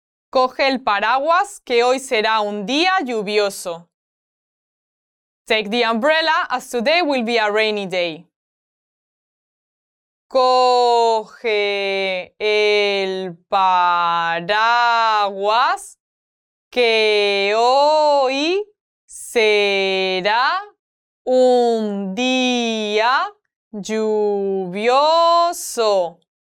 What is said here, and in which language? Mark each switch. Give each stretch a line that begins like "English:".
Spanish: Coge el paraguas, que hoy será un día lluvioso.
English: Take the umbrella, as today will be a rainy day.
Spanish: Coge el paraguas, que hoy será un día lluvioso.